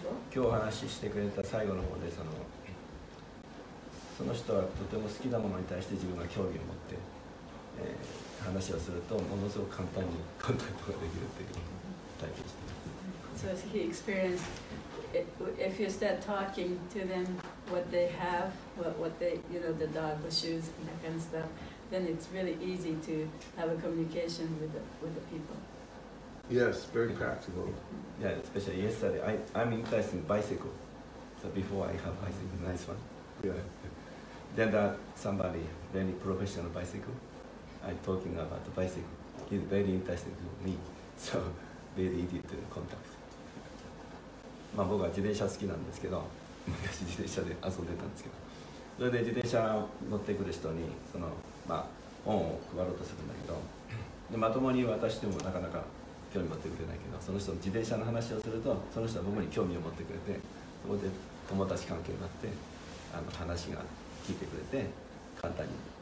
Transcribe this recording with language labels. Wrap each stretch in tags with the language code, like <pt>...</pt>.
<ja>日お話ししてくれた最後の方でその人はとても好きなものに対して自分が興味を持って。話をするとものすごく簡単にコンタクトができるっていうのを体験してます。</ja> <en>So he experienced if you start talking to them what they have, what they, you know, the dog, the shoes, and that kind of stuff, then it's really easy to have a communication with the people. Yes, very practical. Yeah, especially yesterday. I'm interested in bicycle. So before I have bicycle, nice one. Yeah. Then that somebody really professional bicycle. I'm talking about the bicycle. He's very interested in me, so very easy to contact.</en> <ja>まあ僕は自転車好きなんですけど、昔自転車で遊んでたんですけど、それで自転車乗ってくる人にそのまあ本を配ろうとするんだけど、でまともに渡してもなかなか興味持ってくれないけど、その人の自転車の話をすると、その人は僕に興味を持ってくれて、そこで友達関係になって話が聞いてくれて簡単に。</ja>